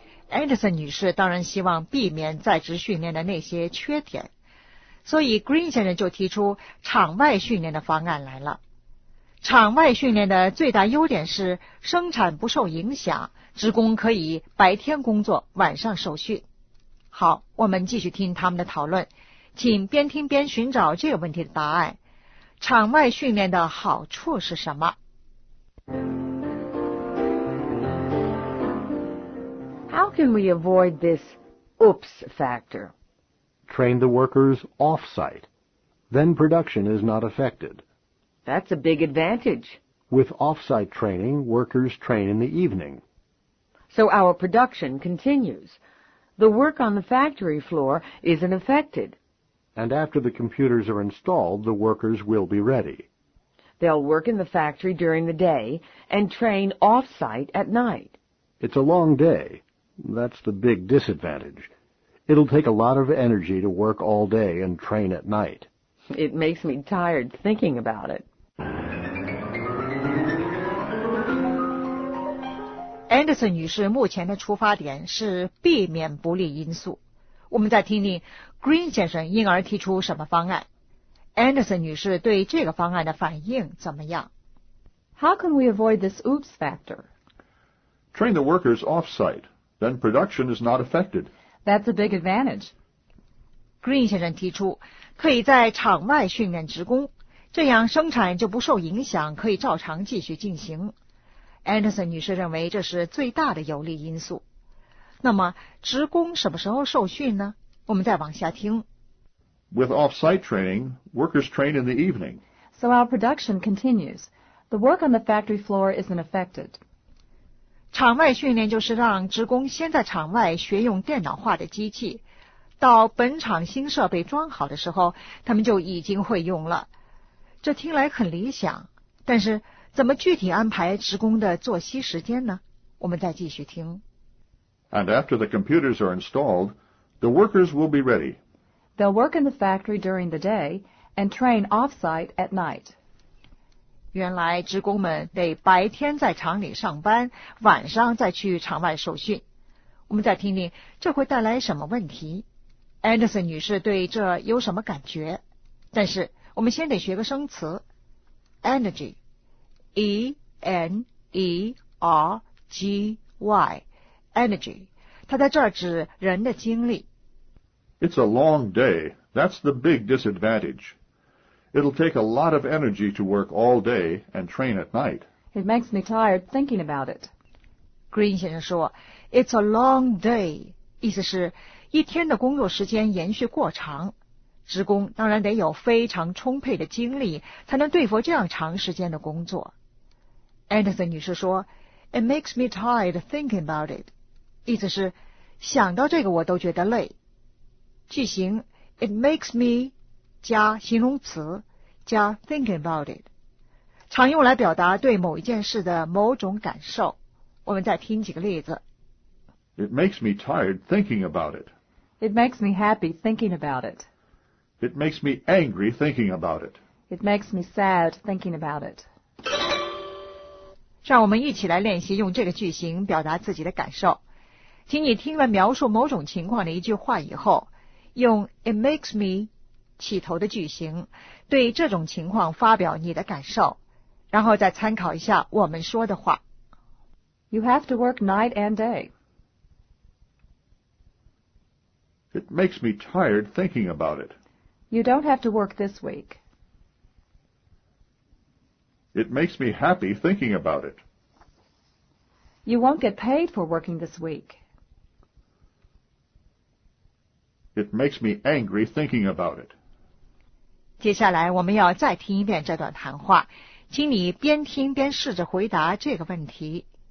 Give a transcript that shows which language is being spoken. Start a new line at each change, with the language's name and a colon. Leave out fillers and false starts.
Chinese: Anderson 女士当然希望避免在职训练的那些缺点，所以 Green 先生就提出场外训练的方案来了。场外训练的最大优点是生产不受影响，职工可以白天工作，晚上受训。好，我们继续听他们的讨论，请边听边寻找这个问题的答案。场外训练的好处是什么？
English: How can we avoid this oops factor? Train the workers off-site. Then production is not affected. That's a big advantage. With off-site training, workers train in the evening. So our production continues. The work on the factory floor isn't affected. And after the computers are installed, the workers will be ready. They'll work in the factory during the day and train off-site at night. It's a long day. That's the big disadvantage. It'll take a lot of energy to work all day and train at night. It makes me tired thinking about it.
Chinese: Anderson 女士目前的出发点是避免不利因素。我们再听听 Green 先生因而提出什么方案。 Anderson 女士对这个方案的反应怎么样？
English: How can we avoid this oops factor? Train the workers off-site. Then production is not affected. That's a big advantage.
Chinese: Green 先生提出可以在场外训练职工，这样生产就不受影响，可以照常继续进行。 Anderson 女士认为这是最大的有利因素。那么职工什么时候受训呢？我们再往下听。
English: With off-site training, workers train in the evening. So our production continues. The work on the factory floor isn't affected.
Chinese: 场外训练就是让职工先在场外学用电脑化的机器，到本厂新设备装好的时候，他们就已经会用了。这听来很理想，但是怎么具体安排职工的作息时间呢？我们再继续听。 And after the computers are installed, the workers will be ready. They'll work in the factory during the day and train off-site at night. 原来职工们得白天在厂里上班，晚上再去场外受训。我们再听听这会带来什么问题。Anderson 女士对这有什么感觉？但是我们先得学个生词 ，energy。
English: E-N-E-R-G-Y, energy.
Chinese: 它在这儿指人的精力。
English: It's a long day. That's the big disadvantage. It'll take a lot of energy to work all day and train at night. It makes me tired thinking about it.
Chinese: Green 先生说 ,
English: It's a long day.
Chinese: 意思是一天的工作时间延续过长。职工当然得有非常充沛的精力才能对付这样长时间的工作。 Anderson 女士说 ,
English: It makes me tired thinking about it.
Chinese: 意思是想到这个我都觉得累。句型 ,
English: It makes me
Chinese: 加形容词加
English: thinking about it.
Chinese: 常用来表达对某一件事的某种感受。我们再听几个例子。
English: It makes me tired thinking about it. It makes me happy thinking about it. It makes me angry thinking about it. It makes me sad thinking about it.
Chinese: 让我们一起来练习用这个句型表达自己的感受。请你听了描述某种情况的一句话以后，用
English: it makes me
Chinese: 起头的句型，对这种情况发表你的感受，然后再参考一下我们说的话。
English: You have to work night and day. It makes me tired thinking about it. You don't have to work this week. It makes me happy thinking about it. You won't get paid for working this week. It makes me angry thinking about it.
Chinese: 接下来我们要再听一遍这段谈话，请你边听边试着回答这个问题。